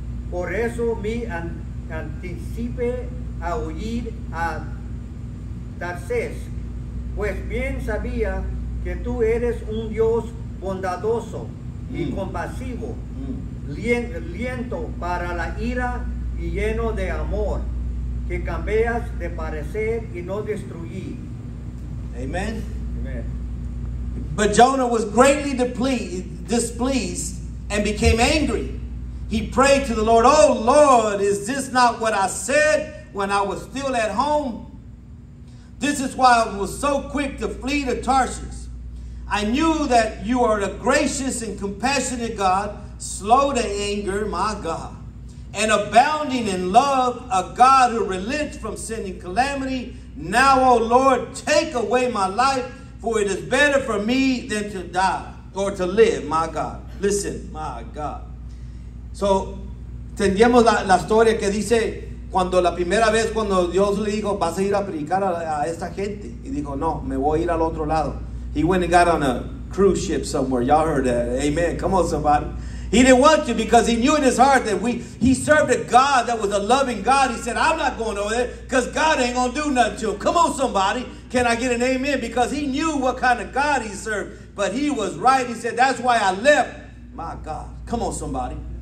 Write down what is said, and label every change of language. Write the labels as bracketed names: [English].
[Spanish] Por eso me anticipé a huir a Tarsés, pues bien sabía que tú eres un Dios bondadoso y compasivo, lento para la ira y lleno de amor, que cambias de parecer y no destruir. [English] Amen. Amen. But Jonah was greatly displeased and became angry. He prayed to the Lord, "Oh Lord, is this not what I said when I was still at home? This is why I was so quick to flee to Tarsus. I knew that you are a gracious and compassionate God, slow to anger, my God, and abounding in love, a God who relents from sending calamity. Now, oh Lord, take away my life, for it is better for me than to die or to live, my God." Listen, my God. [Spanish] So, tendemos la historia que dice, cuando la primera vez cuando Dios le dijo, vas a ir a predicar a esta gente. Y dijo, no, me voy a ir al otro lado. [English] He went and got on a cruise ship somewhere. Y'all heard that. Amen. Come on, somebody. He didn't want to because he knew in his heart that he served a God that was a loving God. He said, I'm not going over there because God ain't going to do nothing to him. Come on, somebody. Can I get an amen? Because he knew what kind of God he served. But he was right. He said, that's why I left. My God. Come on, somebody.